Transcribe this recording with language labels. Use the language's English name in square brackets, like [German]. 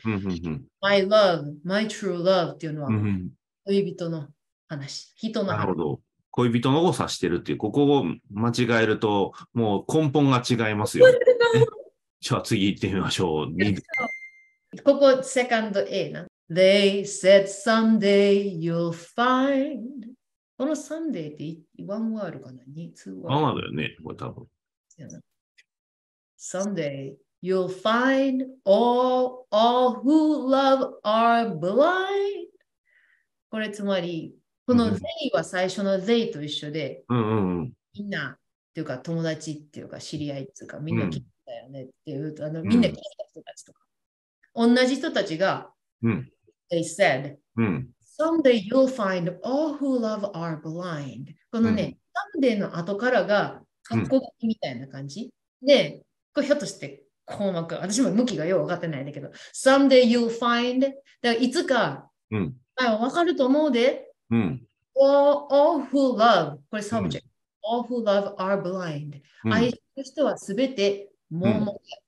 [Japanese] うんうんうん、 [English] My love, my true love [Japanese] っていうのは恋人の話、うん、人の話。なるほど、恋人のを指してるっていう、ここを間違えるともう根本が違いますよ。じゃあ次行ってみましょう。ここセカンド A な。 [English] They said someday you'll find。 [Japanese] このサンデーって1ワンワールかな ?2 ワールだよね、これ多分。 [English] サンデー、You'll find all who love are blind。 [Japanese] これつまり、この they は最初の they と一緒で、うん、みんなっていうか友達っていうか知り合いっていうか、みんな聞いたよねっていう、うん、あのみんな聞いた人たちとか、うん、同じ人たちが、うん、 [English] They said、 [Japanese] うん、 [English] Someday you'll find all who love are blind。 [Japanese] このね、うん、サンデーの後からがかっこいいみたいな感じ、うん、でこれひょっとして項目私も向きがよう分かってないんだけど [English] Someday you'll find [Japanese] だからいつか、うん、分かると思うで、うん、 [English] all who love [Japanese] これ subject、うん、 [English] all who love are blind、 [Japanese] うん、愛する人はすべて盲目、